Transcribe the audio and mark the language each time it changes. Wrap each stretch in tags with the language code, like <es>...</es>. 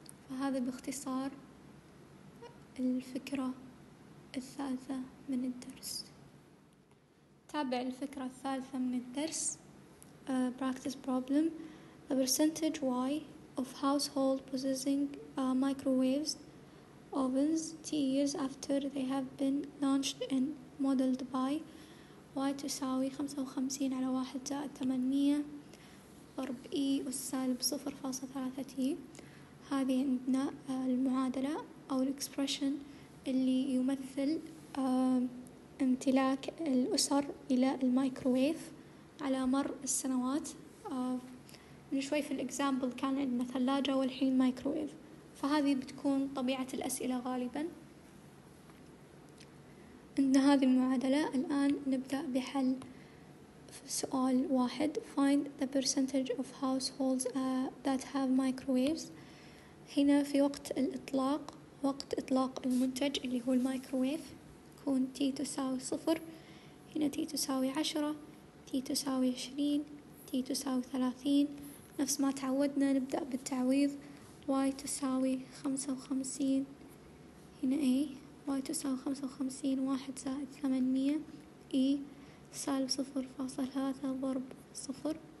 <ar>فهذا باختصار الفكرة الثالثة من الدرس. تابع الفكرة الثالثة من الدرس.</ar> <en>Practice problem. The percentage y of household possessing microwaves ovens 10 years after they have been launched and modeled by y</en> <ar>تساوي 55 على 1+800 ضرب e أس سالب 0.3 t. هذه عندنا المعادلة أو الإكسبرشن اللي يمثل امتلاك الأسر إلى المايكروويف على مر السنوات. من شوي في الإكزامبل كان عندنا ثلاجة والحين مايكرويف، فهذه بتكون طبيعة الأسئلة غالبا. عندنا هذه المعادلة. الآن نبدأ بحل سؤال 1.</ar> <en>Find the percentage of households that have microwaves.</en> <ar>هنا في وقت الإطلاق، وقت إطلاق المنتج اللي هو المايكرويف، يكون T تساوي 0، هنا T تساوي 10، تي تساوي 20، تي تساوي 30. نفس ما تعودنا نبدأ بالتعويض. واي تساوي 55 هنا اي، واي تساوي 55، 1+800 اي سالب 0.3 ضرب 0</ar>